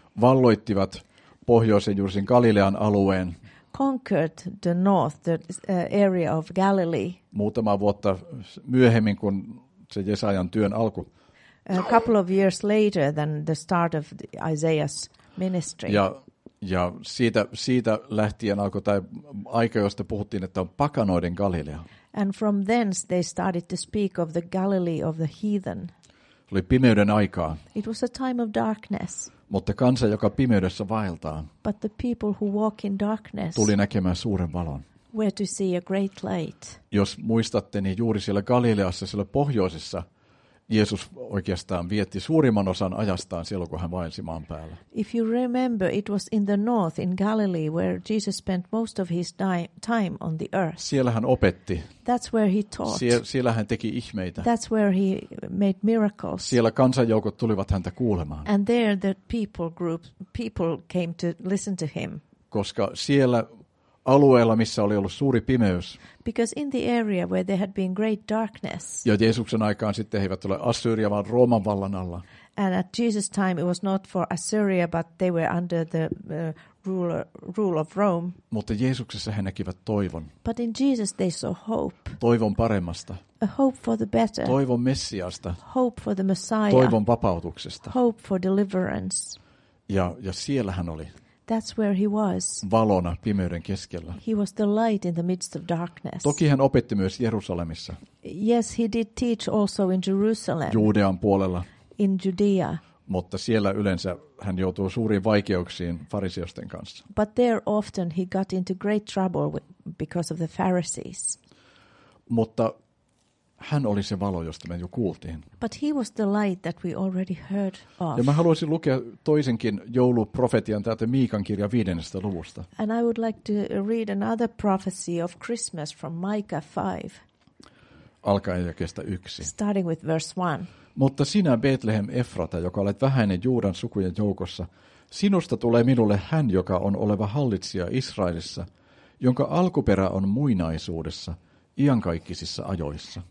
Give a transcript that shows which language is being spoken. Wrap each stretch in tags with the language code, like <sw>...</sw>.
<fi>Valloittivat pohjoisen juuri Galilean alueen.</fi> <en>Conquered the north, the area of Galilee.</en> <fi>Muutama vuotta myöhemmin kuin se Jesajan työn alku.</fi> <en>A couple of years later than the start of Isaiah's ministry.</en> <fi>Ja siitä lähtien alkoi tämä aika, josta puhuttiin, että on pakanoiden Galilea.</fi> <en>And from thence they started to speak of the Galilee of the heathen.</en> <fi>Oli pimeyden aikaa.</fi> <en>It was a time of darkness.</en> <fi>Mutta kansa, joka pimeydessä vaeltaa,</fi> <en>but the people who walk in darkness,</en> <fi>tuli näkemään suuren valon.</fi> <en>Where to see a great light.</en> <fi>Jos muistatte, niin juuri siellä Galileassa, siellä pohjoisessa, Jeesus oikeastaan vietti suurimman osan ajastaan silloin, kun hän vaelsi maan päällä.</fi> <en>If you remember, it was in the north, in Galilee, where Jesus spent most of his time on the earth.</en> <fi>Siellä hän opetti.</fi> <en>That's where he taught.</en> <fi>Siellä hän teki ihmeitä.</fi> <en>That's where he made miracles.</en> <fi>Siellä kansanjoukot tulivat häntä kuulemaan.</fi> <en>And there the people came to listen to him.</en> <fi>Koska siellä alueella, missä oli ollut suuri pimeys.</fi> <en>Because in the area where there had been great darkness.</en> <fi>Ja Jeesuksen aikaan sitten he eivät ole Assyria, vaan Rooman vallan alla.</fi> <en>And at Jesus' time it was not for Assyria, but they were under the rule of Rome.</en> <fi>Mutta Jeesuksessa he näkivät toivon.</fi> <en>But in Jesus they saw hope.</en> <fi>Toivon paremmasta.</fi> <en>A hope for the better.</en> <fi>Toivon Messiasta.</fi> <en>Hope for the Messiah.</en> <fi>Toivon vapautuksesta.</fi> <en>Hope for deliverance.</en> <fi>Ja siellä hän oli.</fi> <en>That's where he was.</en> <fi>Valona pimeyden keskellä.</fi> <en>He was the light in the midst of darkness.</en> <fi>Toki hän opetti myös Jerusalemissa.</fi> <en>Yes, he did teach also in Jerusalem.</en> <fi>Juudean puolella.</fi> <en>In Judea.</en> <fi>Mutta siellä yleensä hän joutui suuriin vaikeuksiin fariseusten kanssa.</fi> <en>But there often he got into great trouble because of the Pharisees.</en> <fi>Mutta hän oli se valo, josta me jo kuultiin.</fi> <en>But he was the light that we already heard of.</en> <fi>Ja mä haluaisin lukea toisenkin jouluprofetian täältä Miikan kirja 5. luvusta.</fi> <en>And I would like to read another prophecy of Christmas from Micah 5.</en> <fi>Alkaen jakeesta 1.</fi> <en>Starting with verse 1.</en> <fi>Mutta sinä Bethlehem Efrata, joka olet vähäinen Juudan sukujen joukossa, sinusta tulee minulle hän, joka on oleva hallitsija Israelissa, jonka alkuperä on muinaisuudessa, iankaikkisissa ajoissa.</fi>